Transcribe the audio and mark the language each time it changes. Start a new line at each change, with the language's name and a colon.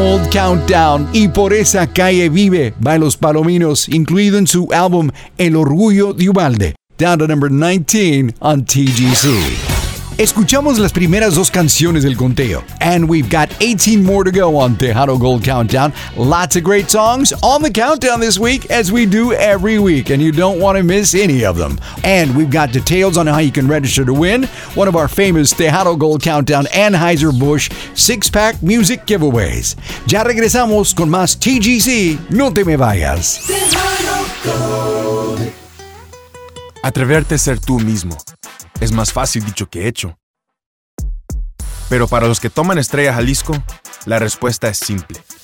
Spanish: Countdown y por esa calle vive by Los Palominos, incluido en su álbum El Orgullo de Ubalde.
English: down to number 19 on TGC.
Spanish: Escuchamos las primeras dos canciones del conteo.
English: And we've got 18 more to go on Tejano Gold Countdown. Lots of great songs on the countdown this week, as we do every week. And you don't want to miss any of them. And we've got details on how you can register to win one of our famous Tejano Gold Countdown Anheuser-Busch six-pack music giveaways.
Spanish: Ya regresamos con más TGC. No te me vayas. Atreverte a ser tú mismo. Es más fácil dicho que hecho. Pero para los que toman Estrella Jalisco, la respuesta es simple.